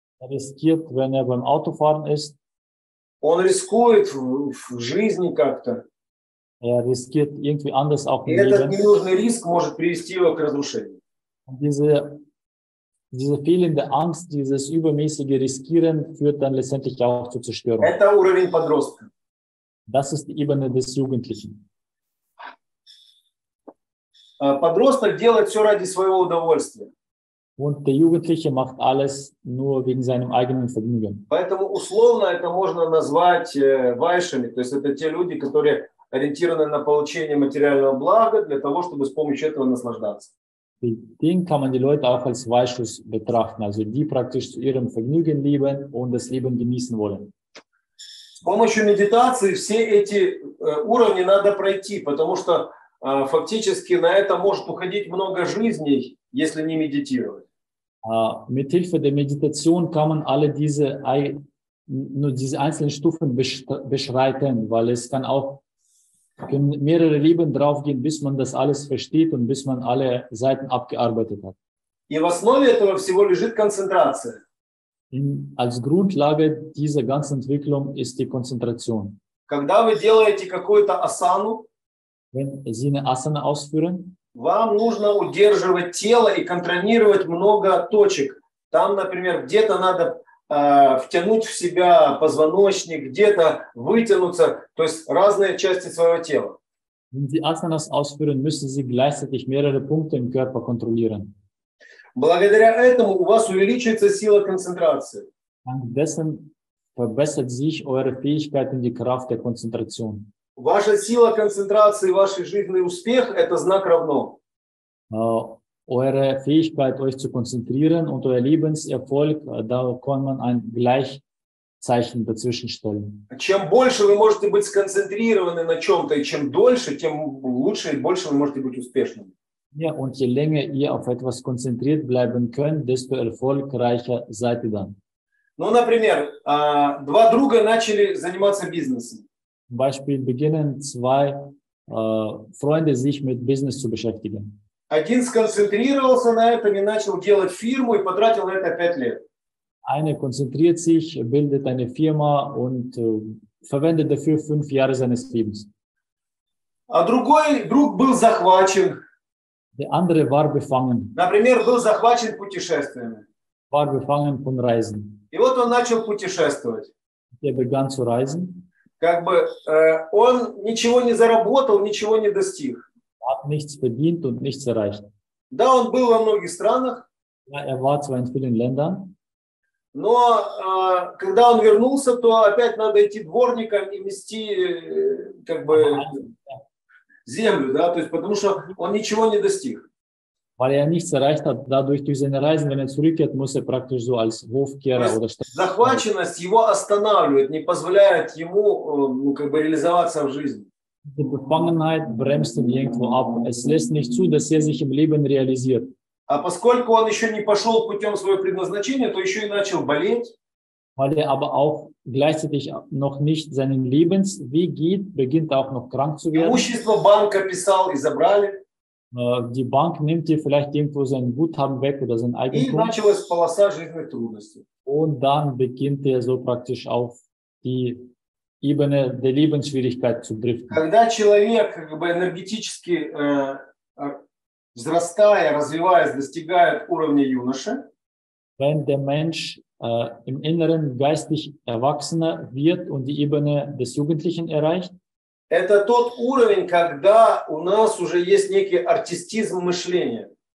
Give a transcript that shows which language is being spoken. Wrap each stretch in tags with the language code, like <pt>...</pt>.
<de>Er riskiert, wenn er beim Autofahren ist.</de> <ru>Он рискует в жизни как-то.</ru> <de>Er riskiert irgendwie anders auch im Leben.</de> <ru>Этот ненужный риск может привести его к разрушению.</ru> <de>Diese fehlende Angst, dieses übermäßige Riskieren führt dann letztendlich auch zur Zerstörung.</de> <ru>Это уровень подростка.</ru> <de>Das ist die Ebene des Jugendlichen.</de> <ru>Подросток делает все ради своего удовольствия.</ru> <de>Und der Jugendliche macht alles nur wegen seinem eigenen Vergnügen.</de> <ru>Поэтому условно это можно назвать вайшами, то есть это те люди, которые ориентированы на получение материального блага для того, чтобы с помощью этого наслаждаться.</ru> <de>Den kann man die Leute auch als Weichschuss betrachten, also die praktisch zu ihrem Vergnügen leben und das Leben genießen wollen.</de> <ru>С помощью медитации все эти уровни надо пройти, потому что фактически на это может уходить много жизней, если не медитировать.</ru> <de>Mit Hilfe der Meditation kann man alle diese einzelnen Stufen beschreiten, weil es kann auch können mehrere Leben draufgehen, bis man das alles versteht und bis man alle Seiten abgearbeitet hat.</de> <ru>И в основе этого всего лежит концентрация.</ru> <de>Als Grundlage dieser ganzen Entwicklung ist die Konzentration.</de> <ru>Когда вы делаете какую-то асану,</ru> <de>wenn Sie eine Asana ausführen,</de> <ru>вам нужно удерживать тело и контролировать много точек. Там, например, где-то надо втянуть в себя позвоночник, где-то вытянуться, то есть разные части своего тела.</ru> <de>Wenn Sie Asanas ausführen, müssen Sie gleichzeitig mehrere Punkte im Körper kontrollieren.</de> <ru>Благодаря этому у вас увеличивается сила концентрации.</ru> <de>Dank dessen verbessert sich eure Fähigkeit und die Kraft der Konzentration.</de> <ru>Ваша сила концентрации, ваш жизненный успех – это знак равно.</ru> <de>Eure Fähigkeit, euch zu konzentrieren und euer Lebenserfolg, da kann man ein Gleichzeichen dazwischen stellen.</de> <ru>Чем больше вы можете быть сконцентрированы на чем-то, и чем дольше, тем лучше и больше вы можете быть успешным.</ru> <de>Ja, und je länger ihr auf etwas konzentriert bleiben könnt, desto erfolgreicher seid ihr dann.</de> <ru>Ну, например, два друга начали заниматься бизнесом.</ru> <de>Zum Beispiel beginnen zwei Freunde, sich mit Business zu beschäftigen.</de> <ru>Один сконцентрировался на этом и начал делать фирму и потратил на это 5 лет.</ru> <de>Einer konzentriert sich, bildet eine Firma und verwendet dafür 5 Jahre seines Lebens.</de> <ru>А другой друг был захвачен.</ru> <de>Der andere war befangen.</de> <ru>Например, был захвачен путешествиями.</ru> <de>War befangen von Reisen.</de> <ru>И вот он начал путешествовать.</ru> <de>Er begann zu reisen.</de> <ru>Как бы он ничего не заработал, ничего не достиг.</ru> <de>Hat nichts verdient und nichts erreicht.</de> <ru>Да, он был во многих странах.</ru> <de>Ja, er war zwar in vielen Ländern.</de> <ru>Но когда он вернулся, то опять надо идти дворником и мести как бы землю, да, то есть потому что он ничего не достиг.</ru> <de>Weil er nichts erreicht hat, dadurch durch seine Reisen, wenn er zurückkehrt, muss er praktisch so als Hofkehrer oder</de> <ru>что. Захваченность его останавливает, не позволяет ему ну, как бы реализоваться в жизни.</ru> <de>Die Befangenheit bremst ihn irgendwo ab. Es lässt nicht zu, dass er sich im Leben realisiert.</de> <ru>А поскольку он еще не пошел путем своего предназначения, то еще и начал болеть.</ru> <de>Weil er aber auch gleichzeitig noch nicht seinen Lebensweg geht, beginnt auch noch krank zu werden.</de> <ru>Имущество банка писал и забрали.</ru> <de>Die Bank nimmt dir vielleicht irgendwo sein Guthaben weg oder sein Eigentum.</de> <ru>И началась полоса жизненных трудностей.</ru> <de>Und dann beginnt er so praktisch auf die Ebene der Lebensschwierigkeit zu driften.</de> <ru>Когда человек как бы энергетически взрастая, развиваясь, достигает уровня юноши.</ru> <de>Wenn der Mensch im Inneren geistig erwachsener wird und die Ebene des Jugendlichen erreicht.</de> <ru>Это тот уровень, когда у нас уже есть некий артистизм мышления.</ru>